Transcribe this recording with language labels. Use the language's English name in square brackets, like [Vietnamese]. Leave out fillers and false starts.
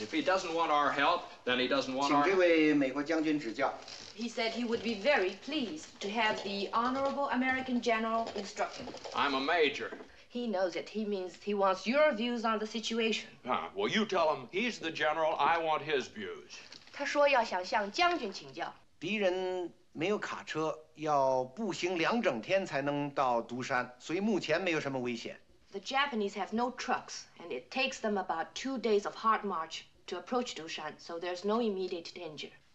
[English] If he doesn't want our help, then he doesn't want our... [Chinese] 请这位美国将军指教. [English] He said he would be very pleased to have the honorable American general instruct him. I'm a major. He knows it. He means he wants your views on the situation. Ah, well, you tell him he's the general. I want his views. [Chinese] 他说要想向将军请教. 敌人没有卡车，要步行两整天才能到独山, 所以目前没有什么危险. [English] The Japanese have no trucks, and it takes them about 2 days of hard march to approach Dushan, so there's no immediate danger.